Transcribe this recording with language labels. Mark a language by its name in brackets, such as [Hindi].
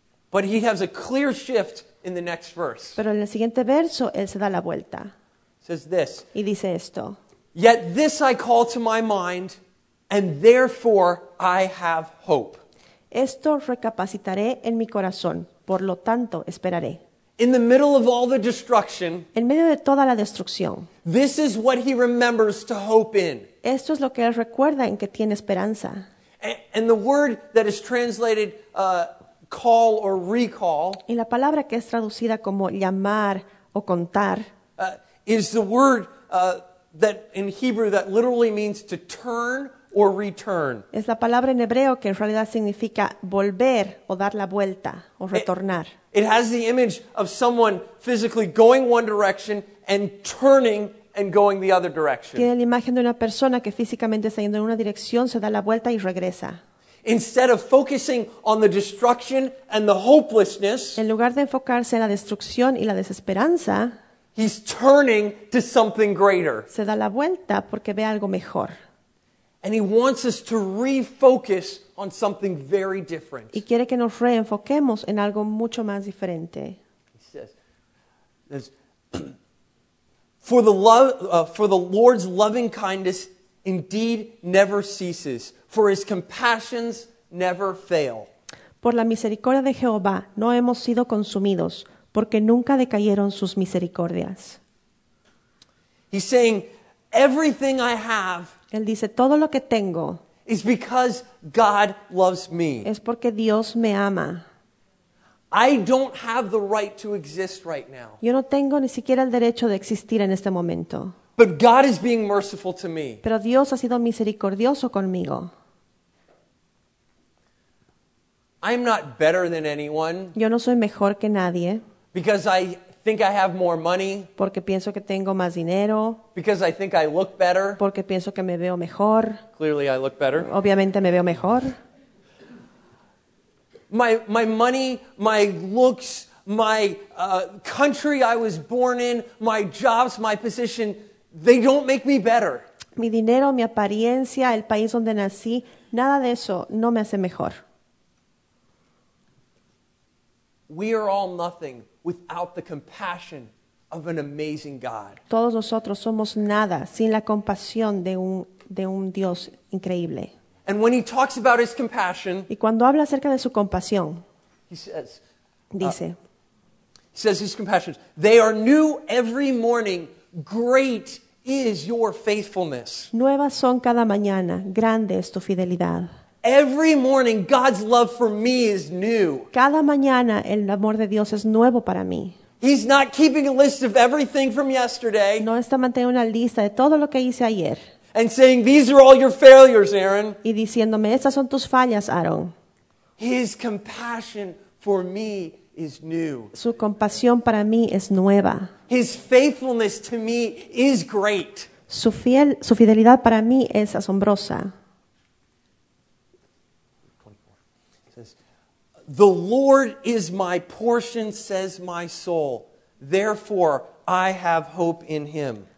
[English] But he has a clear shift in the next verse. [Spanish] Pero en el siguiente verso, él se da la vuelta. [English] Says this. [Spanish] Y dice esto. [English] Yet this I call to my mind, and therefore I have hope. [Spanish] Esto recapacitaré en mi corazón, por lo tanto esperaré. [English] In the middle of all the destruction, [Spanish] en medio de toda la destrucción, [English] this is what he remembers to hope in. [Spanish] Esto es lo que él recuerda en que tiene esperanza. [English] And the word that is translated call or recall, [Spanish] y la palabra que es traducida como llamar o contar, [English] is the word that in Hebrew that literally means to turn or return. [Spanish] Es la palabra en hebreo que en realidad significa volver o dar la vuelta o retornar. [English] It has the image of someone physically going one direction and turning and going the other direction. [Spanish] Tiene la imagen de una persona que físicamente está yendo en una dirección, se da la vuelta y regresa. [English] Instead of focusing on the destruction and the hopelessness, [Spanish] en lugar de enfocarse en la destrucción y la desesperanza, [English] he's turning to something greater. [Spanish] Se da la vuelta porque ve algo mejor. [English] And he wants us to refocus on something very different. [Spanish] Y quiere que nos reenfoquemos en algo mucho más diferente. [English] He says, for the Lord's loving kindness indeed never ceases, for his compassions never fail. [Spanish] Por la misericordia de Jehová no hemos sido consumidos, porque nunca decayeron sus misericordias. [English] He's saying, everything I have, [Spanish] él dice, todo lo que tengo, [English] is because God loves me. [Spanish] Es porque Dios me ama. [English] I don't have the right to exist right now. [Spanish] Yo no tengo ni siquiera el derecho de existir en este momento. [English] But God is being merciful to me. [Spanish] Pero Dios ha sido misericordioso conmigo. [English] I'm not better than anyone. [Spanish] Yo no soy mejor que nadie. [English] Because I think I have more money. [Spanish] Porque pienso que tengo más dinero. [English] Because I think I look better. [Spanish] Porque pienso que me veo mejor. [English] Clearly I look better. [Spanish] Obviamente me veo mejor. [English] My money, my looks, my country I was born in, my jobs, my position, they don't make me better. [Spanish] Mi dinero, mi apariencia, el país donde nací, nada de eso no me hace mejor. [English] We are all nothing without the compassion of an amazing God. [Spanish] Todos nosotros somos nada sin la compasión de un Dios increíble. [English] And when he talks about his compassion, [Spanish] y cuando habla acerca de su compasión, [English] he says, [Spanish] dice, [English] he says his compassions, they are new every morning, great is your faithfulness. [Spanish] Nuevas son cada mañana, grande es tu fidelidad. [English] Every morning, God's love for me is new. [Spanish] Cada mañana, el amor de Dios es nuevo para mí. [English] He's not keeping a list of everything from yesterday. [Spanish] No está manteniendo una lista de todo lo que hice ayer. [English] And saying, these are all your failures, Aaron. [Spanish] Y diciéndome, estas son tus fallas, Aaron. [English] His compassion for me is new. [Spanish] Su compasión para mí es nueva. [English] His faithfulness to me is great. [Spanish] Su fidelidad para mí es asombrosa. [English] The Lord is my portion, says my soul. Therefore, I have hope in him.